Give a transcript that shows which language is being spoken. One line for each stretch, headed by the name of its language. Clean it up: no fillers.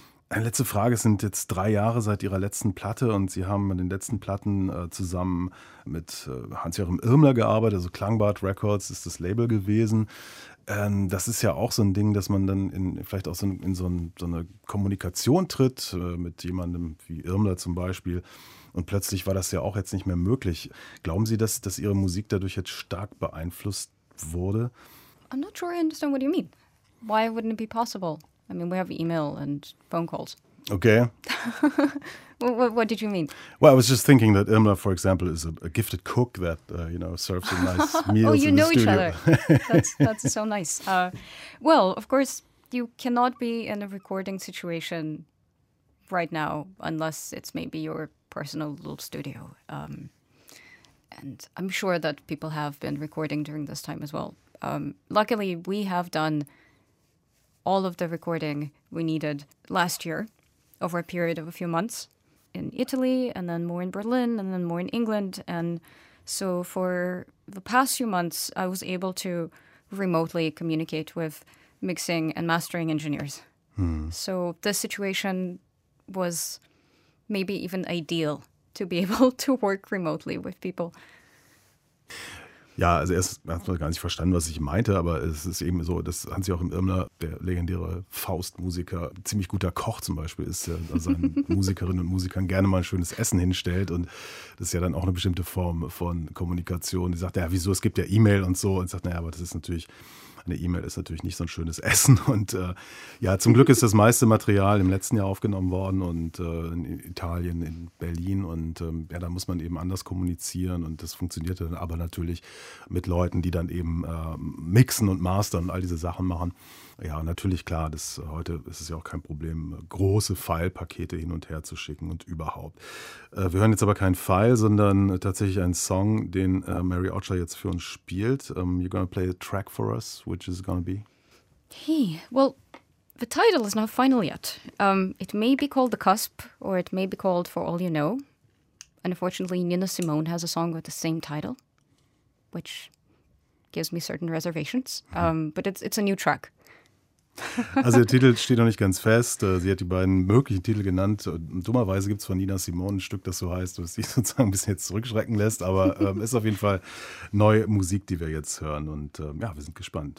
German: Eine letzte Frage, es sind jetzt 3 Jahre seit Ihrer letzten Platte und Sie haben an den letzten Platten zusammen mit Hans-Joachim Irmler gearbeitet, also Klangbad Records ist das Label gewesen. Das ist ja auch so ein Ding, dass man dann in so eine Kommunikation tritt mit jemandem wie Irmler zum Beispiel. Und plötzlich war das ja auch jetzt nicht mehr möglich. Glauben Sie, dass Ihre Musik dadurch jetzt stark beeinflusst wurde?
English: I'm not sure I understand what you mean. Why wouldn't it be possible? I mean, we have email and phone calls. Okay. what did you mean? Well, I was just thinking that Irmler, for example, is a gifted cook that, serves a nice meal. Oh, you in know the studio. Each other. That's so nice. Well, of course, you cannot be in a recording situation right now unless it's maybe your personal little studio. And I'm sure that people have been recording during this time as well. Luckily, we have done all of the recording we needed last year over a period of a few months in Italy and then more in Berlin and then more in England. And so for the past few months, I was able to remotely communicate with mixing and mastering engineers. So this situation was maybe even ideal to be able to work remotely with people.
German: Ja, also erst mal gar nicht verstanden, was ich meinte, aber es ist eben so, dass Hans-Joachim Irmler, der legendäre Faustmusiker, ziemlich guter Koch zum Beispiel ist, der seinen Musikerinnen und Musikern gerne mal ein schönes Essen hinstellt und das ist ja dann auch eine bestimmte Form von Kommunikation. Die sagt, ja, wieso, es gibt ja E-Mail und so und sagt, naja, aber das ist natürlich, eine E-Mail ist natürlich nicht so ein schönes Essen und ja, zum Glück ist das meiste Material im letzten Jahr aufgenommen worden und in Italien, in Berlin und ja, da muss man eben anders kommunizieren und das funktioniert dann aber natürlich mit Leuten, die dann eben mixen und mastern und all diese Sachen machen. Ja, natürlich, klar, heute ist es ja auch kein Problem, große File-Pakete hin und her zu schicken und überhaupt. Wir hören jetzt aber keinen File, sondern tatsächlich einen Song, den Mary Odger jetzt für uns spielt.
English: You're gonna play a track for us, which is gonna be? Hey, well, the title is not final yet. It may be called The Cusp, or it may be called For All You Know. Unfortunately, Nina Simone has a song with the same title, which gives me certain reservations. But it's a new track.
German: Also der Titel steht noch nicht ganz fest. Sie hat die beiden möglichen Titel genannt. Dummerweise gibt es von Nina Simone ein Stück, das so heißt, was sich sozusagen ein bisschen jetzt zurückschrecken lässt. Aber ist auf jeden Fall neue Musik, die wir jetzt hören. Und ja, wir sind gespannt.